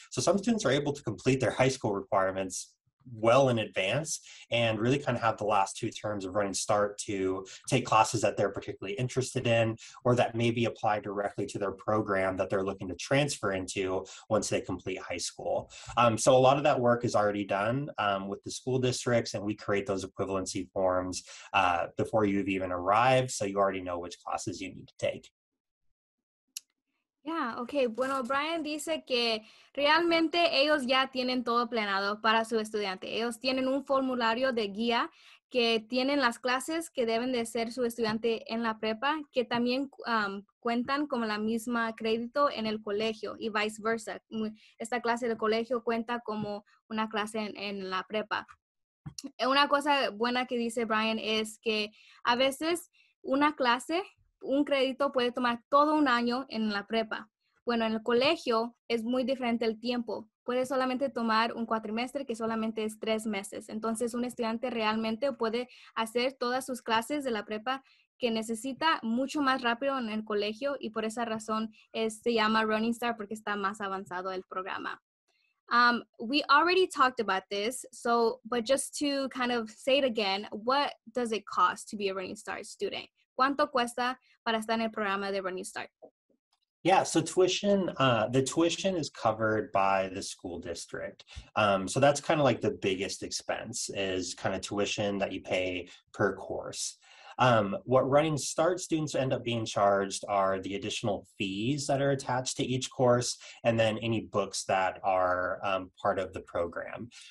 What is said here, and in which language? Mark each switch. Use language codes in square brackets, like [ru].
[en] So some students are able to complete their high school requirements well in advance and really kind of have the last two terms of Running Start to take classes that they're particularly interested in or that maybe apply directly to their program that they're looking to transfer into once they complete high school. So a lot of that work is already done with the school districts, and we create those equivalency forms before you've even arrived, so you already know which classes you need to take. Yeah, okay. [es] Bueno, Brian dice que realmente ellos ya tienen todo planeado para su estudiante. Ellos tienen un formulario de guía que tienen las clases que deben de ser su estudiante en la prepa, que también cuentan con la misma crédito en el colegio y vice versa. Esta clase del colegio cuenta como una clase en la prepa. Una cosa buena que dice Brian es que a veces una clase, un crédito puede tomar todo un año en la prepa. Bueno, en el colegio es muy diferente el tiempo. Puede solamente tomar un cuatrimestre que solamente es 3 meses. Entonces, un estudiante realmente puede hacer todas sus clases de la prepa que necesita mucho más rápido en el colegio y por esa razón se llama Running Start porque está más avanzado el programa. [en] We already talked about this, so but just to kind of say it again, what does it cost to be a Running Start student? [es] ¿Cuánto cuesta para estar en el programa de Running Start? [en] Yeah, so tuition, the tuition is covered by the school district. So that's kind of like the biggest expense is kind of tuition that you pay per course. What Running Start students end up being charged are the additional fees that are attached to each course and then any books that are part of the program.